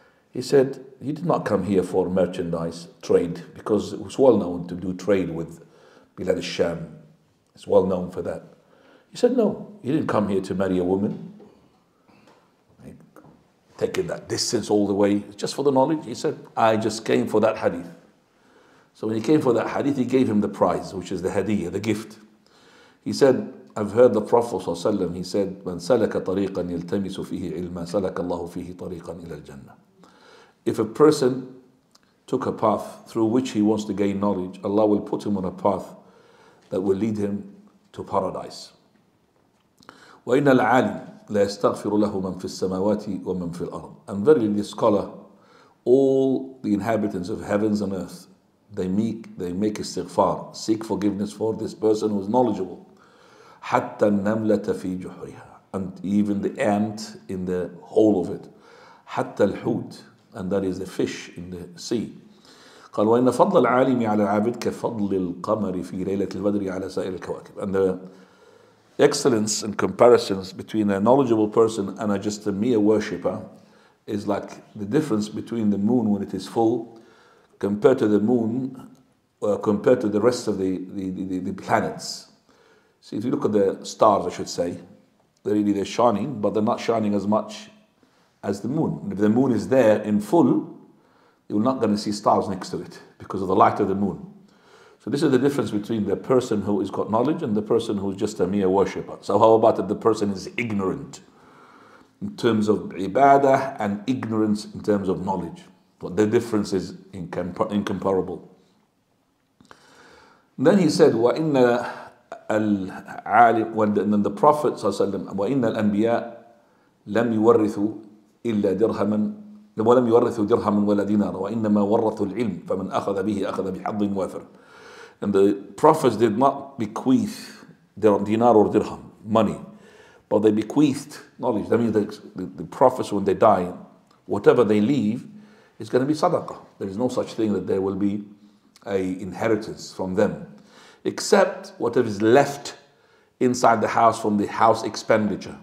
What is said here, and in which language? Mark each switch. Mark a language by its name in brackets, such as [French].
[English] He said, he did not come here for merchandise, trade, because it was well known to do trade with Bilad al-Sham. It's well known for that. He said, no, he didn't come here to marry a woman. Taking that distance all the way, just for the knowledge. He said, I just came for that hadith. So when he came for that hadith, he gave him the prize, which is the hadith, the gift. He said, I've heard the Prophet ﷺ, he said, [Arabic] "من سلك طريقا يلتمس فيه علما سلك الله فيه طريقا إلى الجنة." [English] If a person took a path through which he wants to gain knowledge, Allah will put him on a path that will lead him to paradise. [Arabic] وإن العالم لا يستغفر له من في السماوات ومن في الأرض. [English] And verily, the scholar, all the inhabitants of heavens and earth, they make istighfar, seek forgiveness for this person who is knowledgeable. [Arabic] حتى النملة في جحرها, [English] and even the ant in the hole of it. [Arabic] حتى الحوت, [English] and that is the fish in the sea. [Arabic] قال وإن فضل العالم على العابد كفضل القمر في ليلة البدر على سائر الكواكب. [English] And the excellence and comparisons between a knowledgeable person and just a mere worshipper is like the difference between the moon when it is full compared to the moon, compared to the rest of the planets. See, if you look at the stars, I should say, they're shining, but they're not shining as much as the moon. And if the moon is there in full, you're not going to see stars next to it because of the light of the moon. So this is the difference between the person who has got knowledge and the person who is just a mere worshipper. So how about if the person is ignorant in terms of ibadah and ignorance in terms of knowledge? But the difference is incomparable. Then he said, [Arabic] وَإِنَّ الْعَالِقُ, [English] and then the Prophet [Arabic] صلى الله عليه وسلم, وَإِنَّ الْأَنْبِيَاءَ لَمْ يُوَرِّثُوا إِلَّا دِرْهَمًا وَلَمْ يُوَرِّثُوا دِرْهَمًا وَلَا دِينَارًا وَإِنَّمَا وَرَّثُوا الْعِلْمُ فَمَنْ أَخَذَ بِهِ أَخَذَ بِحَظٍ وَافِرٍ. [English] And the prophets did not bequeath dinar or dirham, money, but they bequeathed knowledge. That means the prophets, when they die, whatever they leave is going to be sadaqah. There is no such thing that there will be a inheritance from them, except whatever is left inside the house from the house expenditure.